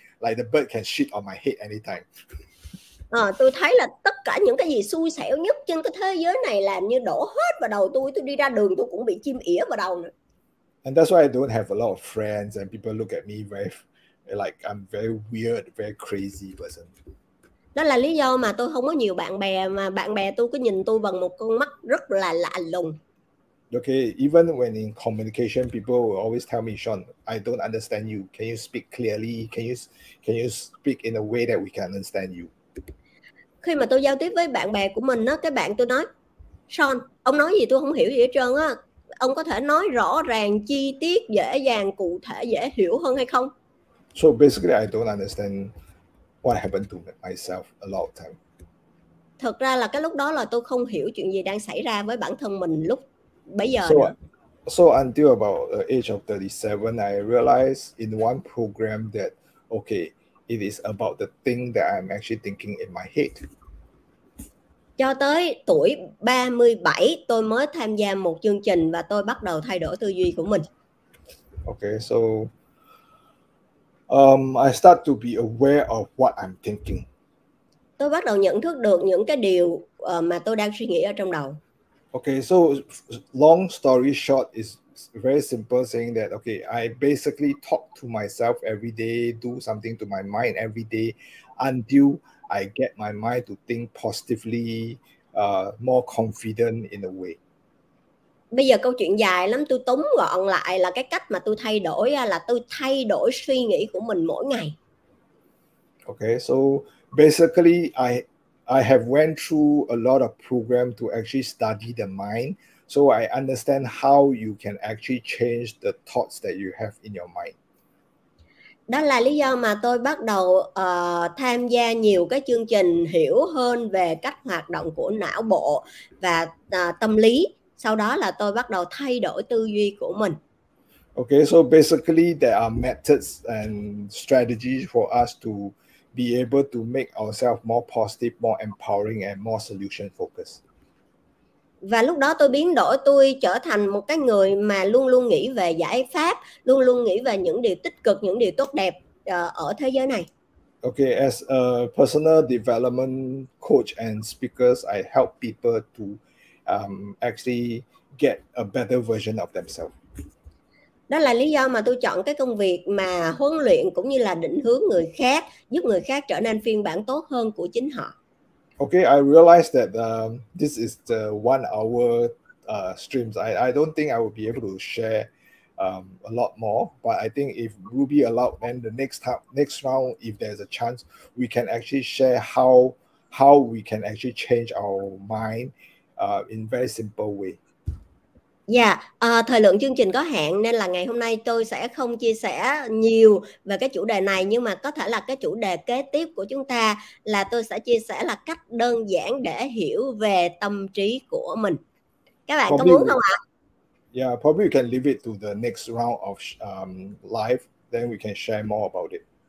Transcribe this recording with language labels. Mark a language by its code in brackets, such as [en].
[en] Like the bird can shit on my head anytime. [vi] Tôi thấy là tất cả những cái gì xui xẻo nhất trên cái thế giới này làm như đổ hết vào đầu tôi đi ra đường tôi cũng bị chim ỉa vào đầu nữa. [en] And that's why I don't have a lot of friends and people look at me very like I'm very weird, very crazy person. [vi] Đó là lý do mà tôi không có nhiều bạn bè, mà bạn bè tôi cứ nhìn tôi bằng một con mắt rất là lạ lùng. [en] Okay, even when in communication, people will always tell me, Sean, I don't understand you. Can you speak clearly? Can you speak in a way that we can understand you? [vi] Khi mà tôi giao tiếp với bạn bè của mình, cái bạn tôi nói, Sean, ông nói gì tôi không hiểu gì hết trơn á. Ông có thể nói rõ ràng, chi tiết, dễ dàng, cụ thể, dễ hiểu hơn hay không? [en] So basically, I don't understand what happened to myself a lot of time. [vi] Thực ra là cái lúc đó là tôi không hiểu chuyện gì đang xảy ra với bản thân mình lúc bấy giờ. [en] So until about the age of 37, I realized in one program that, okay, it is about the thing that I'm actually thinking in my head. [vi] Cho tới tuổi 37, tôi mới tham gia một chương trình và tôi bắt đầu thay đổi tư duy của mình. [en] Okay, so I start to be aware of what I'm thinking. [vi] Tôi bắt đầu nhận thức được những cái điều mà tôi đang suy nghĩ ở trong đầu. [en] Okay, so long story short is very simple saying that, okay, I basically talk to myself every day, do something to my mind every day until I get my mind to think positively, more confident in a way. [vi] Bây giờ câu chuyện dài lắm, tôi tóm gọn lại là cái cách mà tôi thay đổi là tôi thay đổi suy nghĩ của mình mỗi ngày. [en] Okay, so basically I have went through a lot of program to actually study the mind, so I understand how you can actually change the thoughts that you have in your mind. [vi] Đó là lý do mà tôi bắt đầu tham gia nhiều cái chương trình hiểu hơn về cách hoạt động của não bộ và tâm lý. Sau đó là tôi bắt đầu thay đổi tư duy của mình. [en] Okay, so basically there are methods and strategies for us to be able to make ourselves more positive, more empowering and more solution focused. [vi] Và lúc đó tôi biến đổi, tôi trở thành một cái người mà luôn luôn nghĩ về giải pháp, luôn luôn nghĩ về những điều tích cực, những điều tốt đẹp ở thế giới này. [en] Okay, as a personal development coach and speakers, I help people to actually get a better version of themselves. [vi] Đó là lý do mà tôi chọn cái công việc mà huấn luyện cũng như là định hướng người khác, giúp người khác trở nên phiên bản tốt hơn của chính họ. [en] Okay, I realized that this is the 1 hour streams. I don't think I will be able to share a lot more, but I think if Ruby allowed, then the next round, if there's a chance, we can actually share how we can actually change our mind in very simple way. [vi] Yeah, thời lượng chương trình có hạn nên là ngày hôm nay tôi sẽ không chia sẻ nhiều về cái chủ đề này, nhưng mà có thể là cái chủ đề kế tiếp của chúng ta là tôi sẽ chia sẻ là cách đơn giản để hiểu về tâm trí của mình. Các bạn [en] probably [vi] có muốn không ạ? [en] Yeah, probably we can leave it to the next round of live, then we can share more about it.